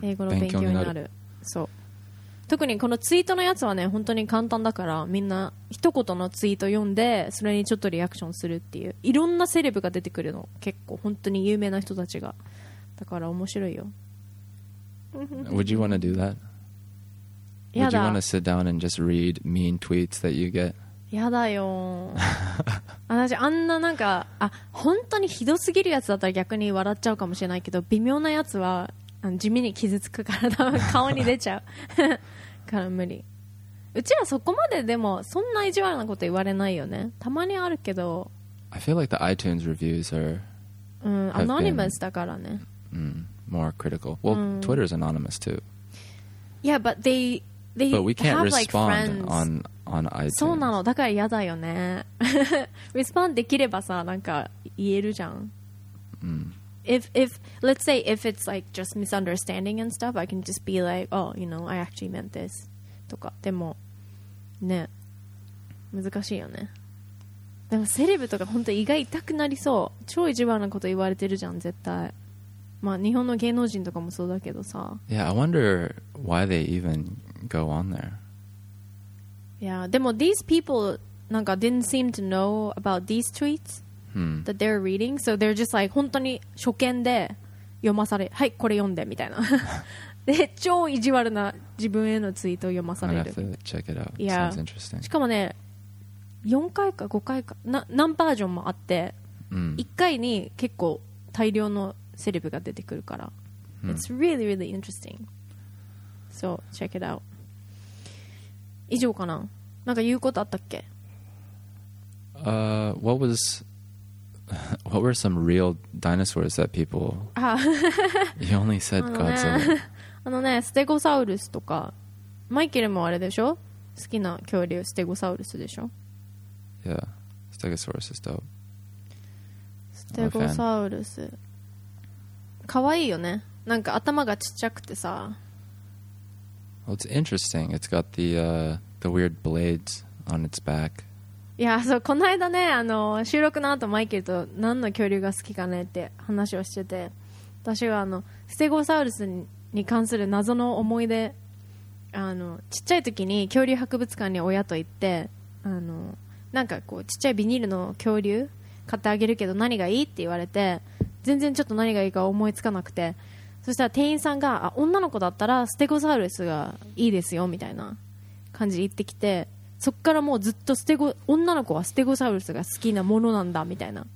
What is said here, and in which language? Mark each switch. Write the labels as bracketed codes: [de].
[ja] 英語の勉強になる。そう、特にこのツイートのやつはね本当に簡単だから、みんな一言のツイート読んでそれにちょっとリアクションするっていう、いろんなセレブが出てくるの、結構本当に有名な人たちが、だから面白いよ。 [en] Would you want to do that? [ja] やだ。 [en] Would you want to sit down and just read mean tweets that you get? [ja] やだよ私あんな、なんかあ本当にひどすぎるやつだったら逆に笑っちゃうかもしれないけど、微妙なやつは地味に傷つくから多分顔に出ちゃうから無理。うちらそこまで、でもそんな意地悪なこと言われないよね、たまにあるけど。 [en] I feel like the iTunes reviews are [ja] anonymous だからね、 [en] more critical. Well, Twitter is anonymous too. Yeah, but they but we can't have respond like friends on iTunes. [ja] そうなの、だから嫌だよねResponde できればさ、なんか言えるじゃん。 [en] If let's say if it's like just misunderstanding and stuff, I can just be like, oh, you know, I actually meant this. [ja] とか、でもね、難しいよね。でもセレブとか本当胃が痛くなりそう。超意地悪なこと言われてるじゃん、絶対。まあ日本の芸能人とかもそうだけどさ。 [en] Yeah, I wonder why they even go on there. Yeah, でも these people なんか didn't seem to know about these tweets. That they're reading, so they're just like [ja] 本当に初見で読まされ、はいこれ読んでみたいなで超意地悪な自分へのツイートを読まされる。 [en] I'll have to check it out. Yeah. Sounds interesting. [ja] しかもね、4回か5回か何バージョンもあって、1回に結構大量のセレブが出てくるから、 [en] It's really really interesting. So check it out. [ja] 以上かな。なんか言うことあったっけ？ [en] What wasWhat were some real dinosaurs that people? You only said Godzilla. [ja] あのね、ステゴサウルスとか、マイケルもあれでしょ？好きな恐竜ステゴサウルスでしょ [en] ？Yeah, Stegosaurus is dope. [ja] ステゴサウルス、可愛いよね。なんか頭がちっちゃくてさ。 Well, it's interesting. It's got the weird blades on its back. いや、そうこの間ね、あの収録の後マイケルと何の恐竜が好きかねって話をしてて、私はあのステゴサウルス に関する謎の思い出、あのちっちゃい時に恐竜博物館に親と行って、あのなんかこうちっちゃいビニールの恐竜買ってあげるけど何がいいって言われて、全然ちょっと何がいいか思いつかなくて、そしたら店員さんが、あ女の子だったらステゴサウルスがいいですよみたいな感じで言ってきて、そっからもうずっとステゴ、女の子はステゴサウルスが好きなものなんだみたいな。